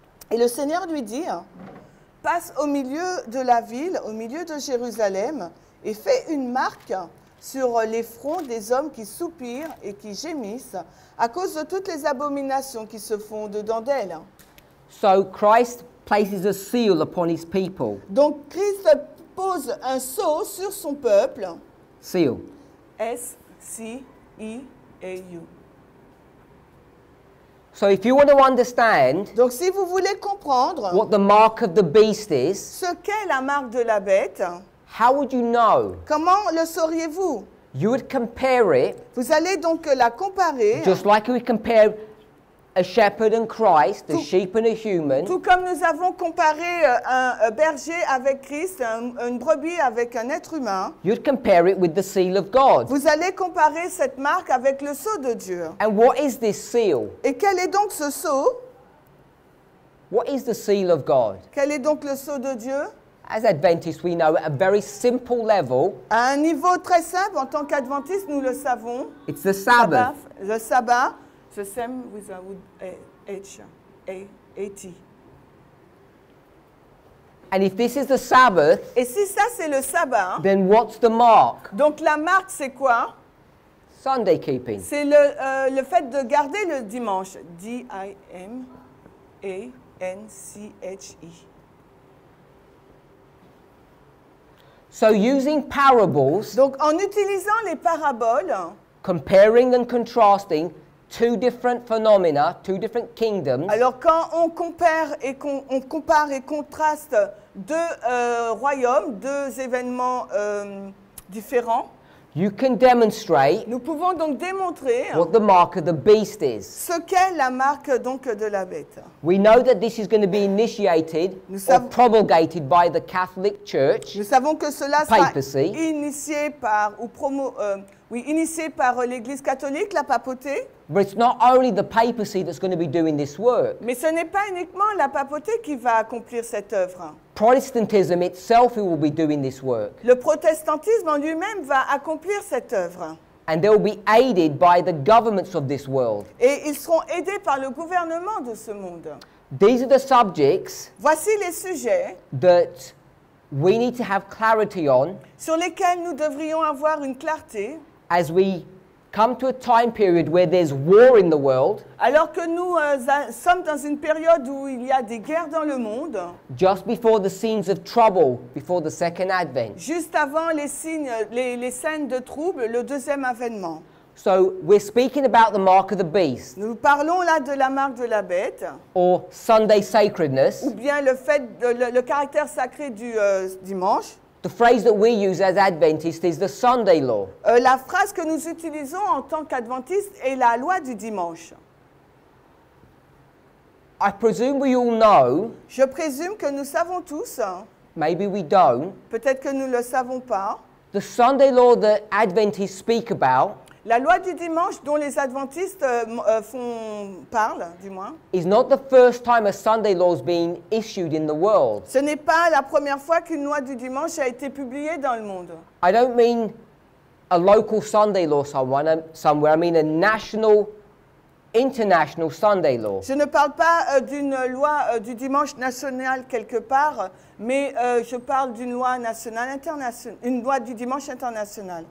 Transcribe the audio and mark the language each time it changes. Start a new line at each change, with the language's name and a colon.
French: Et le Seigneur lui dit, « Passe au milieu de la ville, au milieu de Jérusalem, et fais une marque sur les fronts des hommes qui soupirent et qui gémissent à cause de toutes les abominations qui se font dedans d'elles. »
English: So Christ places a seal upon his people.
French: Donc Christ pose un sceau sur son peuple.
English: Seal.
French: S-C-E-A-U.
English: So if you want to understand,
French: donc si vous voulez comprendre
English: what the mark of the beast is,
French: ce qu'est la marque de la bête,
English: how would you know?
French: Comment le sauriez-vous?
English: You would compare it.
French: Vous allez donc la comparer.
English: Just like we compare a shepherd and Christ, a sheep and a human.
French: Tout comme nous avons comparé un berger avec Christ, une brebis avec un être humain.
English: You'd compare it with the seal of God.
French: Vous allez comparer cette marque avec le sceau de Dieu.
English: And what is this seal?
French: Et quel est donc ce sceau?
English: What is the seal of God?
French: Quel est donc le sceau de Dieu?
English: As Adventists, we know at a very simple level.
French: À un niveau très simple, en tant qu'Adventiste, nous le savons.
English: It's the Sabbath.
French: Le sabbat.
English: The same with a wood H A A T. And if this is the Sabbath,
French: et si ça c'est le sabbat,
English: then what's the mark?
French: Donc la marque c'est quoi?
English: Sunday keeping.
French: C'est le fait de garder le dimanche. D I M A N C H E.
English: So using parables,
French: donc en utilisant les paraboles,
English: comparing and contrasting two different phenomena, two different kingdoms.
French: Alors quand on compare et qu'on compare et contraste deux royaumes, deux événements différents,
English: you can demonstrate,
French: nous pouvons donc démontrer,
English: what the mark of the beast is.
French: Ce qu'est la marque donc de la bête.
English: We know that this is going to be initiated or promulgated by the Catholic Church.
French: Nous savons que cela papacy. Sera initié par ou promo, oui, initié par l'Église catholique, la papauté.
English: But it's not only the papacy that's going to be doing this work.
French: Mais ce n'est pas uniquement la papauté qui va accomplir cette œuvre.
English: Protestantism itself will be doing this work.
French: Le protestantisme en lui-même va accomplir cette œuvre.
English: And they will be aided by the governments of this world.
French: Et ils seront aidés par le gouvernement de ce monde.
English: These are the subjects.
French: Voici les sujets.
English: That we need to have clarity on.
French: Sur lesquels nous devrions avoir une clarté.
English: As we come to a time period where there's war in the world.
French: Alors que nous sommes dans une période où il y a des guerres dans le monde.
English: Just before the scenes of trouble, before the second advent.
French: Juste avant les signes, les scènes de trouble, le deuxième avènement.
English: So we're speaking about the mark of the beast.
French: Nous parlons là de la marque de la bête.
English: Or Sunday sacredness.
French: Ou bien le fait de, le caractère sacré du dimanche.
English: The phrase that we use as Adventists is the Sunday law.
French: La phrase que nous utilisons en tant qu'adventiste est la loi du dimanche.
English: I presume we all know.
French: Je présume que nous savons tous.
English: Maybe we don't.
French: Peut-être que nous le savons pas.
English: The Sunday law that Adventists speak about.
French: La loi du dimanche dont les adventistes parlent, du moins.
English: Is not the first time a Sunday law is being issued in the world.
French: Ce n'est pas la première fois qu'une loi du dimanche a été publiée dans le monde.
English: I don't mean a local Sunday law somewhere. I mean a national, international Sunday law.
French: Je ne parle pas d'une loi du dimanche nationale quelque part, mais je parle d'une loi nationale internationale, une loi du dimanche internationale.